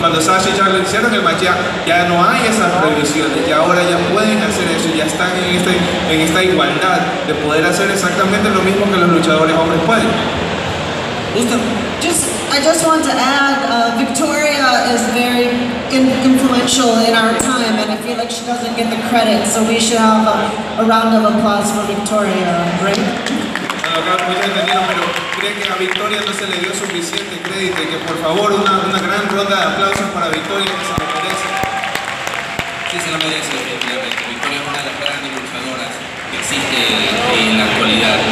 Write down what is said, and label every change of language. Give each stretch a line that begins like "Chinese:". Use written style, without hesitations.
Spanish: Cuando Sasha y Charlotte hicieron el match, ya no hay esas prohibiciones, ya ahora ya pueden hacer eso, ya están en esta igualdad de poder hacer exactamente lo mismo que los luchadores hombres pueden. Listo.
English: I just want to add, Victoria is very influential in our time, and I feel like she doesn't get the credit, so we should have a round of applause for Victoria, right?
Spanish: Que a Victoria no se le dio suficiente crédito y que por favor una gran ronda de aplausos para Victoria, que se lo merece. Sí, se lo merece, efectivamente. Victoria es una de las grandes luchadoras que existe en la actualidad.